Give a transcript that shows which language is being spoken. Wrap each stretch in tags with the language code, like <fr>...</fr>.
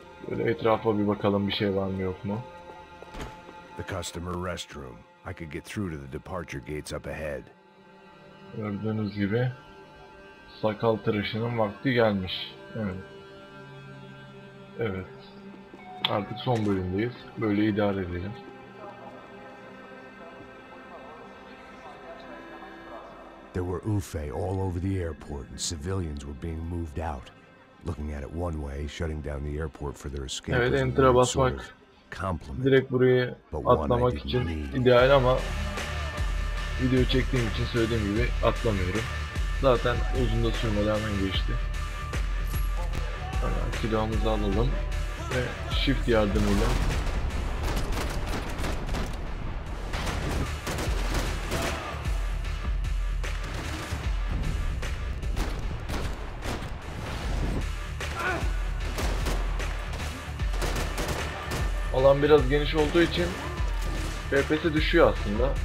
<tr>Böyle etrafa bir bakalım, bir şey var mı yok mu?</tr> <en>The customer restroom. I could get through to the departure gates up ahead.</en> <tr>Gördüğünüz gibi sakal tıraşının vakti gelmiş. Evet. Evet. Artık son bölümdeyiz. Böyle idare edelim.</tr> <en>There were Ufe all over the airport and civilians were being moved out. Looking at it one way, shutting down the airport for their escape.</en> <tr>Evet, enter'a basmak. Direkt burayı atlamak için ideal ama video çektiğim için söylediğim gibi atlamıyorum. Zaten uzun da sürmeden hemen geçti. Hemen silahımızı alalım ve shift yardımıyla alan biraz geniş olduğu için FPS düşüyor aslında.</tr>